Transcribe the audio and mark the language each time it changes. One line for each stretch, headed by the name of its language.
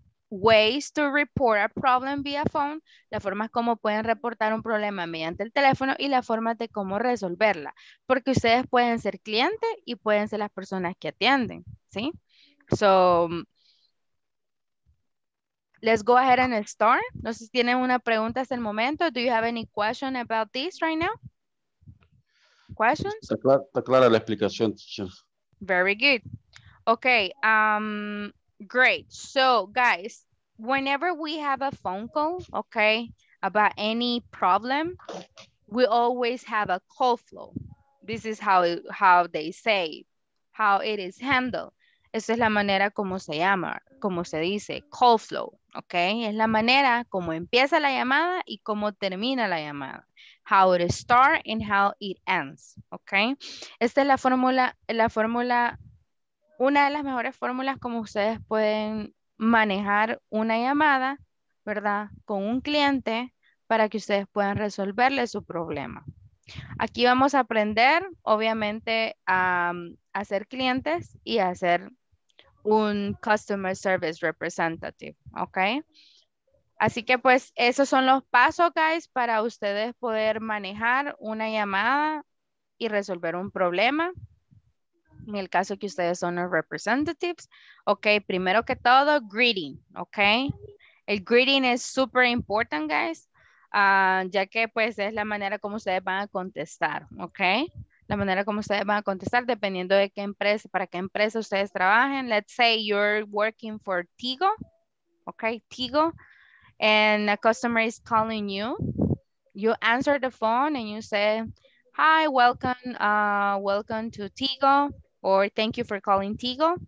English: Ways to report a problem via phone,
Spanish: las formas como pueden reportar un problema mediante el teléfono y las formas de cómo resolverla, porque ustedes pueden ser clientes y pueden ser las personas que atienden, ¿sí?
English: So, let's go ahead and start.
Spanish: No sé si tienen una pregunta hasta el momento.
English: Do you have any question about this right now? Questions?
Spanish: Está clara la explicación.
English: Very good. Okay, great. So, guys, whenever we have a phone call, okay, about any problem, we always have a call flow. This is how they say, how it is handled.
Spanish: Esa es la manera como se llama, como se dice, call flow, okay? Es la manera como empieza la llamada y cómo termina la llamada.
English: How it starts and how it ends, okay?
Spanish: Esta es la fórmula, una de las mejores fórmulas como ustedes pueden manejar una llamada, ¿verdad? Con un cliente para que ustedes puedan resolverle su problema. Aquí vamos a aprender, obviamente, a ser clientes y a ser un customer service representative, ¿ok? Así que, pues, esos son los pasos, guys, para ustedes poder manejar una llamada y resolver un problema. en el caso que ustedes son los representatives. Ok, primero que todo, greeting, ok. El greeting es súper important, guys, ya que pues es la manera como ustedes van a contestar, ok. La manera como ustedes van a contestar, dependiendo de qué empresa, para qué empresa ustedes trabajen.
English: Let's say you're working for Tigo, ok, Tigo, and a customer is calling you. You answer the phone and you say, hi, welcome to Tigo, or thank you for calling Tigo.